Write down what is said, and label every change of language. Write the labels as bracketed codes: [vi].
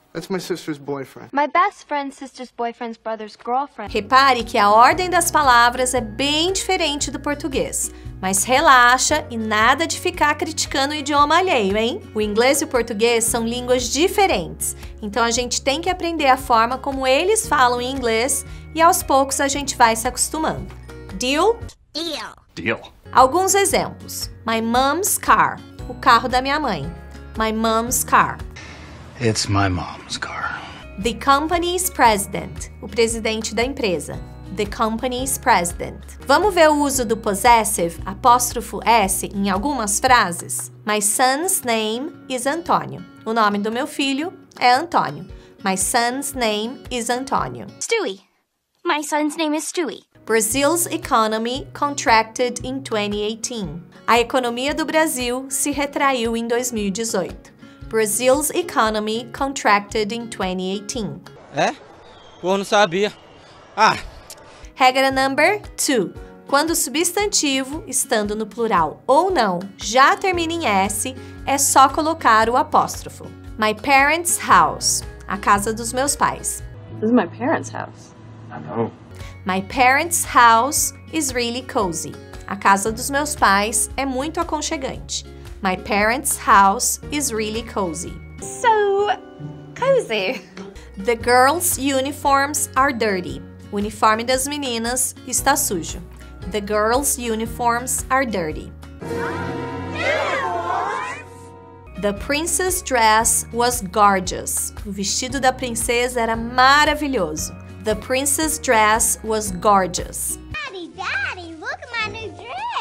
[en] That's my sister's boyfriend. My best friend's sister's boyfriend's brother's girlfriend. [pt] Repare que a ordem das palavras é bem diferente do português. Mas relaxa e nada de ficar criticando o idioma alheio, hein? O inglês e o português são línguas diferentes. Então a gente tem que aprender a forma como eles falam em inglês e aos poucos a gente vai se acostumando. [en] Deal? Deal. Deal. [pt] Alguns exemplos. [en] My mom's car. [pt] O carro da minha mãe. [en] My mom's car. It's my mom's car. The company's president. [pt] O presidente da empresa. [en] The company's president. [pt] Vamos ver o uso do possessive, apóstrofo S, em algumas frases? [en] My son's name is Antonio. [pt] O nome do meu filho é Antonio. [en] My son's name is Antonio. Stewie. My son's name is Stewie. Brazil's economy contracted in 2018. [pt] A economia do Brasil se retraiu em 2018. [en] Brazil's economy contracted in 2018. [pt] É? Pô, não sabia. Ah! Regra [en] number two. [pt] Quando o substantivo, estando no plural ou não, já termina em S, é só colocar o apóstrofo. [en] My parents' house. [pt] A casa dos meus pais. [en] This is my parents' house. I know. My parents' house is really cozy. [pt] A casa dos meus pais é muito aconchegante. [en] My parents' house is really cozy. So cozy. The girls' uniforms are dirty. [pt] O uniforme das meninas está sujo. [en] The girls' uniforms are dirty. The princess dress was gorgeous. [pt] O vestido da princesa era maravilhoso. [en] The princess dress was gorgeous. Daddy, daddy, look at my new dress.